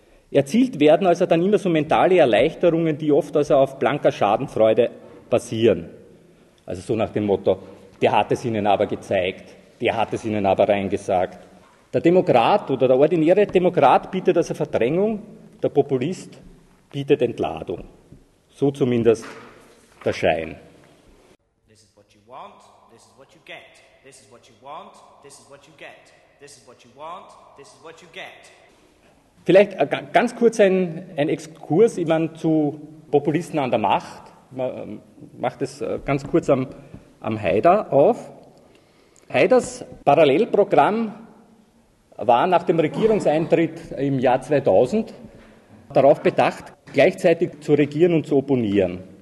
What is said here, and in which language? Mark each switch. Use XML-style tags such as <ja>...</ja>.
<de>Erzielt werden also dann immer so mentale Erleichterungen, die oft also auf blanker Schadenfreude basieren. Also so nach dem Motto, der hat es ihnen aber gezeigt, der hat es ihnen aber reingesagt. Der Demokrat oder der ordinäre Demokrat bietet also Verdrängung, der Populist bietet Entladung. So zumindest der Schein.</de> <en>This is what you want, this is what you get. This is what you want, this is what you get. This is what you want, this is what you get.</en> <de>Vielleicht ganz kurz ein Exkurs, ich meine, zu Populisten an der Macht. Man macht es ganz kurz am Haider auf. Haiders Parallelprogramm war nach dem Regierungseintritt im Jahr 2000 darauf bedacht, gleichzeitig zu regieren und zu opponieren.</de>